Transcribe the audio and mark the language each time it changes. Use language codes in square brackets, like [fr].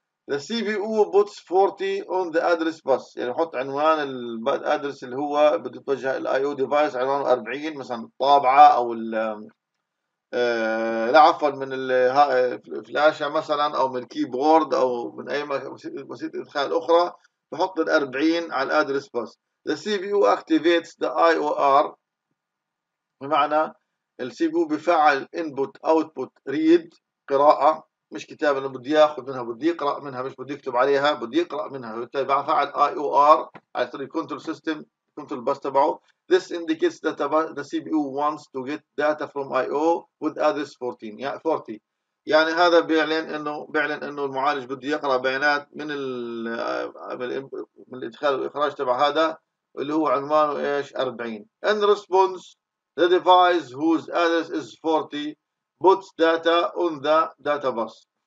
[en] the CPU puts 40 on the address bus، [ar] يعني حط عنوان الادرس اللي هو بده يتوجه الIO device عنوانه 40 مثلا طابعة او لا عفوا من الفلاشة مثلا او من الكيبورد او من اي وسيلة ادخال اخرى، بحط ال 40 على الادرس bus. [en] The CPU activates the IOR، [ar] بمعنى السيبو بفعل input output read قراءة مش كتابة، أنا بدي أخذ منها بدي يقرأ منها مش بدي يكتب عليها بدي يقرأ منها. طيب فعل IOR على طريق control system control bus تبعه. [en] This indicates that the CPU wants to get data from IO with address 40. [ar] يعني هذا بيعلن انه المعالج بده يقرا بيانات من الادخال والاخراج تبع هذا اللي هو عنوانه ايش 40. [en] In response, the device whose address is 40 puts data on the data bus.